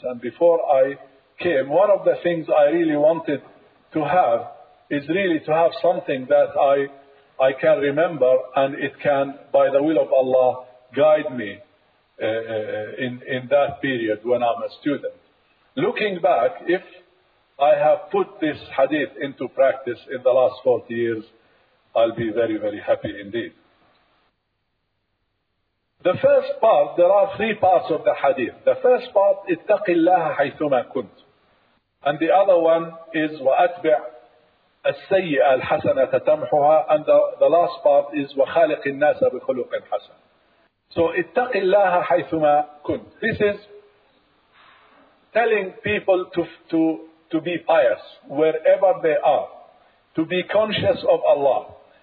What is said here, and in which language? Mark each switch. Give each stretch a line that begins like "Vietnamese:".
English: And before I came, one of the things I really wanted to have is really to have something that I can remember, and it can, by the will of Allah, guide me in that period when I'm a student. Looking back, if I have put this hadith into practice in the last 40 years, I'll be very, very happy indeed. The first part, there are three parts of the hadith. The first part,
Arabic: اتَّقِ اللَّهَ حَيْثُمَا كُنْتُ.
English: And the other one is
Arabic: وَأَتْبِعْ السَّيِّئَ الْحَسَنَةَ تَمْحُهَا.
English: And the last part is
Arabic: وَخَالِقِ النَّاسَ بِخُلُقٍ حَسَنٍ. So اتَّقِ اللَّهَ حَيْثُمَا كُنْتُ.
English: This is telling people to be pious wherever they are, to be conscious of Allah.